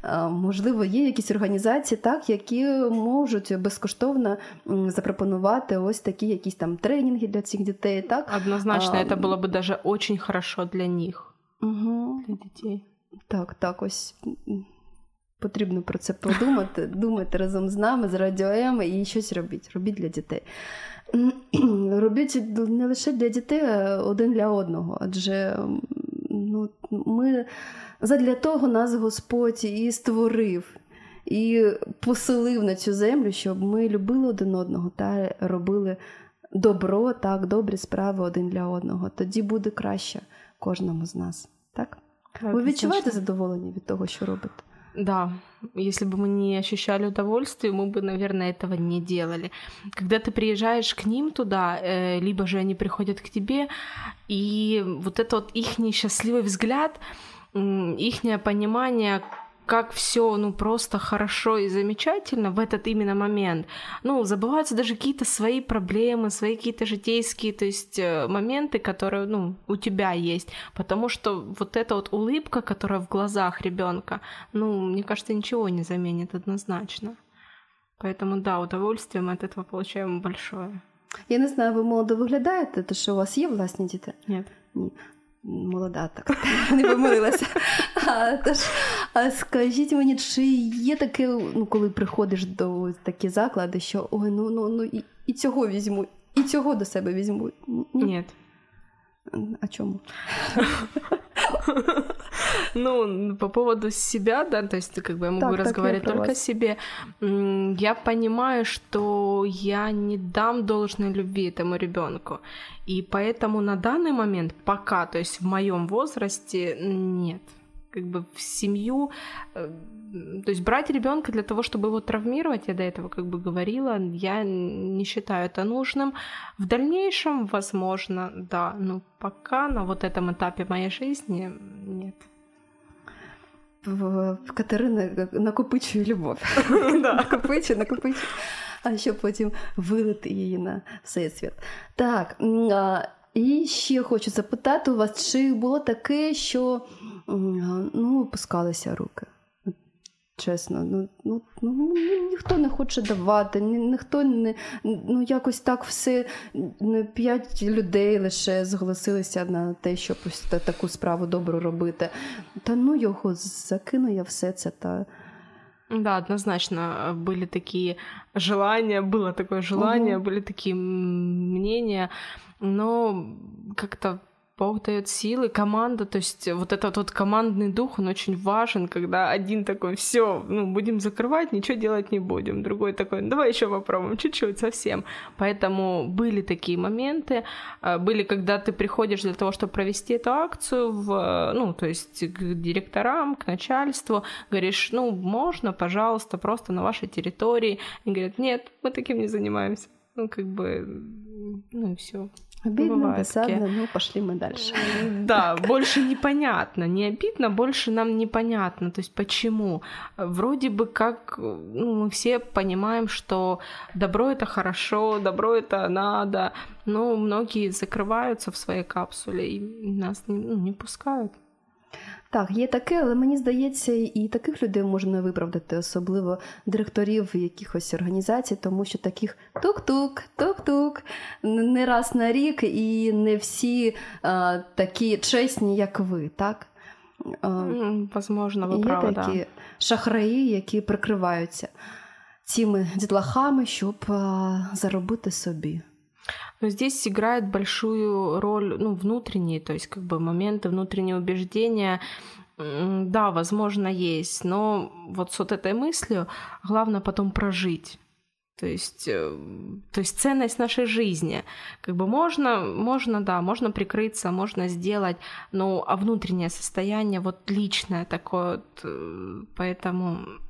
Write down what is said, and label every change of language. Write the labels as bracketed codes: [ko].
[uk] Можливо, є якісь організації, так, які можуть безкоштовно запропонувати ось такі якісь там тренінги для цих дітей, так? Однозначно, це було б [ru] даже очень хорошо [uk] для них. Угу. Для дітей. Так, так, ось потрібно про це подумати, думати разом з нами, з Радіо М, і щось робіть, робіть для дітей. Робіть не лише для дітей, а один для одного, адже, ну, ми, задля того нас Господь і створив, і поселив на цю землю, щоб ми любили один одного та робили добро, так, добрі справи один для одного. Тоді буде краще кожному з нас, так? Ви відчуваєте задоволення від того, що робите? [ru] Да. Если бы мы не ощущали удовольствия, мы бы, наверное, этого не делали. Когда ты приезжаешь к ним туда, либо же они приходят к тебе, и вот этот вот их несчастливый взгляд, ихнее понимание, как все, ну, просто хорошо и замечательно в этот именно момент, ну, забываются даже какие-то свои проблемы, свои какие-то житейские, то есть, моменты, которые, ну, у тебя есть, потому что вот эта вот улыбка, которая в глазах ребенка, ну, мне кажется, ничего не заменит однозначно. Поэтому, да, удовольствие мы от этого получаем большое. Я не знаю, вы молодо выглядаете, это что у вас есть [uk] власні діти? [ru] Нет. Нет. [uk] Молода, так, не помилилася. Тож, скажіть мені, чи є таке, ну, коли приходиш до такі заклади, що ой, ну і цього візьму, і цього до себе візьму? Ні. А чому? [ru] Ну, по поводу себя, да, то есть как бы я могу разговаривать только о себе. Я понимаю, что я не дам должной любви этому ребенку, и поэтому на данный момент пока, то есть в моем возрасте, нет. Как бы в семью, то есть брать ребенка для того, чтобы его травмировать, я до этого как бы говорила, я не считаю это нужным. В дальнейшем, возможно, да, но пока на вот этом этапе моей жизни нет. [uk] В Катерине накопичує любовь. Накопичує, накопичує, а ще потім вилити її на всесвіт. Так, і ще хочу запитати у вас, чи було таке, що, ну, опускалися руки? Чесно, ну, ніхто не хоче давати, ніхто не, ну, якось так все, ну, 5 людей лише зголосилися на те, щоб таку справу добру робити. Та, ну, його закину я все це, та... Да, однозначно, були такі желання, було таке желання, угу. Були такі [ru] мнення, но как-то Бог дает силы, команда, то есть вот этот вот командный дух, он очень важен, когда один такой, все, ну, будем закрывать, ничего делать не будем, другой такой, ну, давай еще попробуем, чуть-чуть, совсем. Поэтому были такие моменты, были, когда ты приходишь для того, чтобы провести эту акцию, в, ну, то есть к директорам, к начальству, говоришь, ну, можно, пожалуйста, просто на вашей территории. Они говорят, нет, мы таким не занимаемся. Ну, как бы, ну и все. Обидно, досадно, ну, пошли мы дальше. Да, больше непонятно. Не обидно, больше нам непонятно. То есть почему? Вроде бы как, ну, мы все понимаем, что добро — это хорошо, добро — это надо. Но многие закрываются в своей капсуле и нас не пускают. [uk] Так, є таке, але мені здається, і таких людей можна виправдати, особливо директорів якихось організацій, тому що таких тук-тук, тук-тук, не раз на рік, і не всі такі чесні, як ви, так? [ru] Возможно, ви права, [uk] так. Є такі шахраї, які прикриваються цими дітлахами, щоб заробити собі. [ru] Но здесь играет большую роль, ну, внутренние, то есть как бы моменты, внутренние убеждения, да, возможно, есть, но вот с вот этой мыслью главное потом прожить. То есть ценность нашей жизни. Как бы можно, да, можно прикрыться, можно сделать, но а внутреннее состояние вот личное такое вот, поэтому.